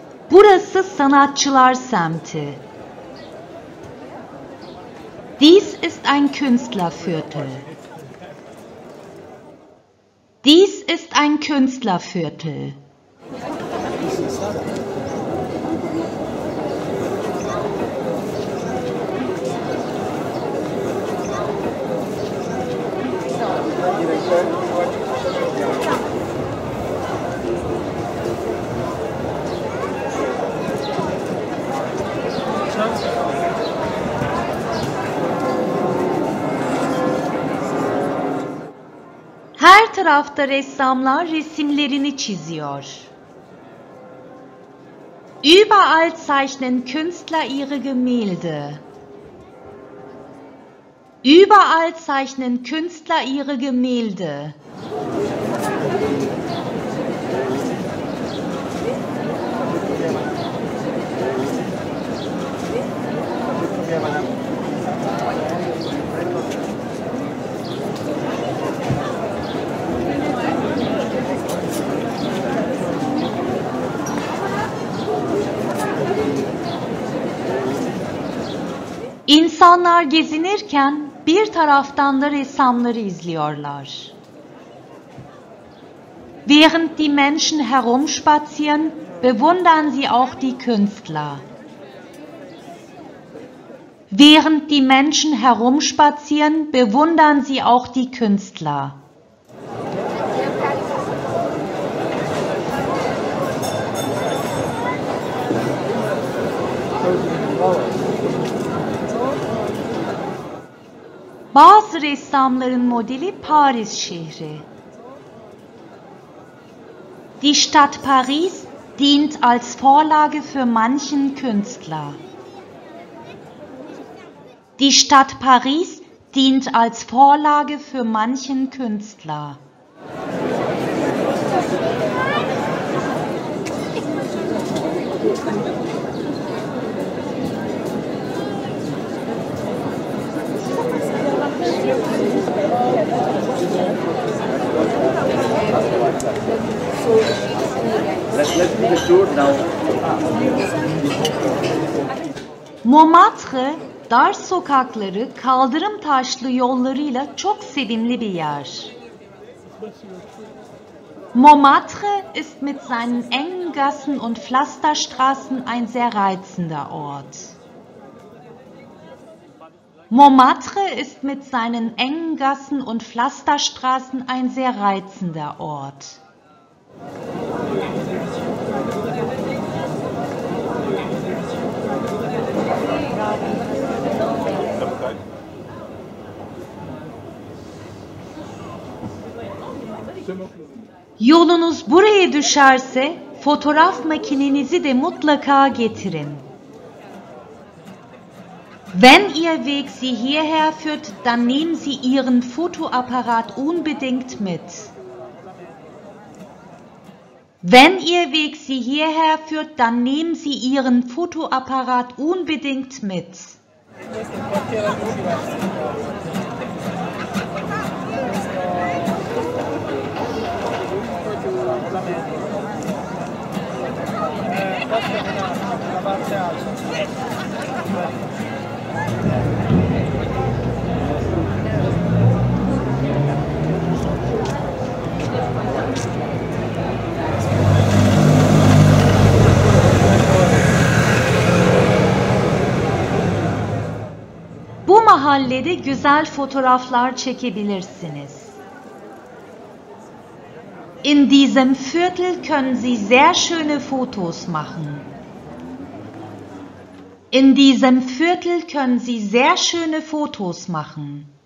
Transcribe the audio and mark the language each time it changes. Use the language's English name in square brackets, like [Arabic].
[Turkish] Burası sanatçılar semti. [German] Dies ist ein Künstlerviertel. Dies ist ein Künstlerviertel. [Turkish] Her tarafta ressamlar resimlerini çiziyor. [German] Überall zeichnen Künstler ihre Gemälde. Überall zeichnen Künstler ihre Gemälde. [Turkish] İnsanlar gezinirken bir taraftan da ressamları izliyorlar. [German] Während die Menschen herumspazieren, bewundern sie auch die Künstler. Während die Menschen herumspazieren, bewundern sie auch die Künstler. [Turkish] Bazı ressamların modeli Paris şehri. [German] Die Stadt Paris dient als Vorlage für manchen Künstler. Die Stadt Paris dient als Vorlage für manchen Künstler. [Turkish] Montmartre, dar sokakları, kaldırım taşlı yollarıyla çok sevimli bir yer. [German] Montmartre ist mit seinen engen Gassen und Pflasterstraßen ein sehr reizender Ort. Montmartre ist mit seinen engen Gassen und Pflasterstraßen ein sehr reizender Ort. [Turkish] Yolunuz buraya düşerse, fotoğraf makinenizi de mutlaka getirin. [German] Wenn Ihr Weg Sie hierher führt, dann nehmen Sie Ihren Fotoapparat unbedingt mit. Wenn Ihr Weg Sie hierher führt, dann nehmen Sie Ihren Fotoapparat unbedingt mit. [Turkish] Bu mahallede güzel fotoğraflar çekebilirsiniz. [German] In diesem Viertel können Sie sehr schöne Fotos machen. In diesem Viertel können Sie sehr schöne Fotos machen.